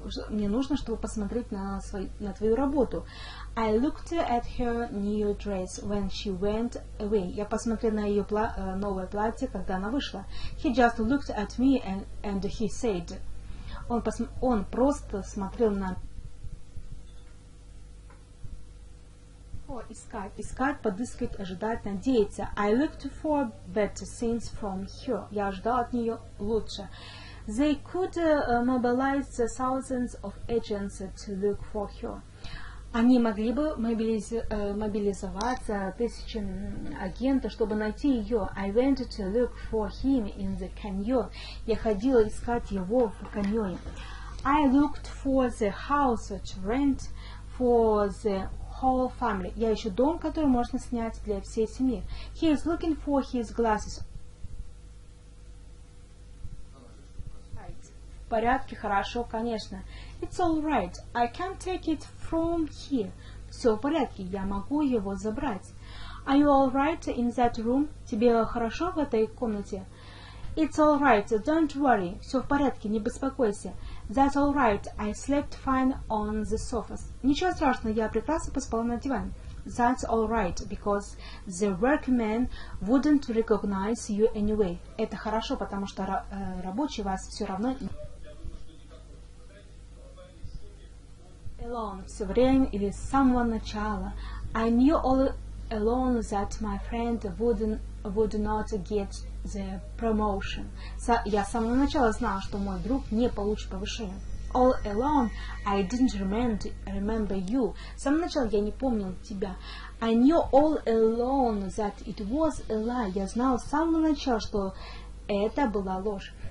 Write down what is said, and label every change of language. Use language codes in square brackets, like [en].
[ru] мне нужно, чтобы посмотреть на твою работу. [en] I looked at her new dress when she went away. [ru] Я посмотрел на ее новое платье, когда она вышла. [en] He just looked at me and he said. [ru] Он просто смотрел на... Искать, подыскивать, ожидать, надеяться. [en] I looked for better things from her. [ru] Я ожидал от нее лучше. [en] They could mobilize the thousands of agents to look for her. [ru] Они могли бы мобилизоваться тысячи агентов, чтобы найти ее. [en] I went to look for him in the canyon. [ru] Я ходила искать его в каньоне. [en] I looked for the house to rent for the whole family. [ru] Я ищу дом, который можно снять для всей семьи. [en] He is looking for his glasses. [ru] В порядке, хорошо, конечно. [en] It's all right. I can take it from here. [ru] Все в порядке, я могу его забрать. [en] Are you all right in that room? [ru] Тебе хорошо в этой комнате? [en] It's all right. Don't worry. [ru] Все в порядке, не беспокойся. [en] That's all right. I slept fine on the sofa. [ru] Ничего страшного, я прекрасно поспала на диване. [en] That's all right, because the workmen wouldn't recognize you anyway. [ru] Это хорошо, потому что рабочие вас все равно... Alone, все время или с самого начала. [en] I knew all along that my friend would not get the promotion. [ru] Я с самого начала знала, что мой друг не получит повышение. [en] All along, I didn't remember you. [ru] С самого начала я не помнил тебя. [en] I knew all along that it was a lie. [ru] Я знал с самого начала, что это была ложь.